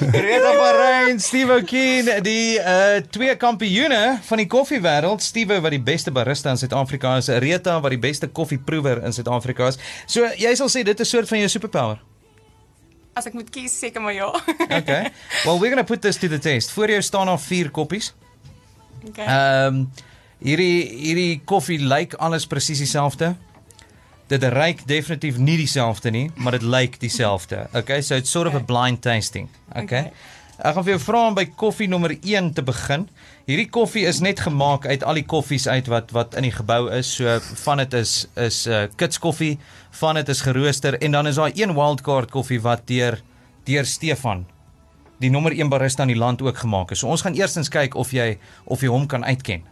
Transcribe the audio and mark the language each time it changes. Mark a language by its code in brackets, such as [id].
[af] Retha van Rhijn, Stevo Kühn, die twee kampioene van die koffiewereld. Stevo, wat die beste barista in Suid-Afrika is. Retha, wat die beste koffieproeër in Suid-Afrika is. So, jy sal sê, dit is soort van jou superpower. As ek moet kies, seker maar ja. [en] Okay, well, we're going to put this to the test. [af] Voor jou staan al 4 koppies. Okay. Hierdie koffie lyk alles presies dieselfde. Dit ruik definitief nie dieselfde nie, maar dit lyk dieselfde. [en] Okay, so it's sort of a blind tasting. Okay. [af] Ek gaan vir jou vra om by koffie nommer 1 te begin. Hierdie koffie is net gemaak uit al die koffies uit wat in die gebou is. So van dit is kitskoffie, van dit is gerooster en dan is daar een wildcard koffie wat deur Stefan die nommer 1 barista in die land ook gemaak is. So ons gaan eerstens kyk of jy hom kan uitken.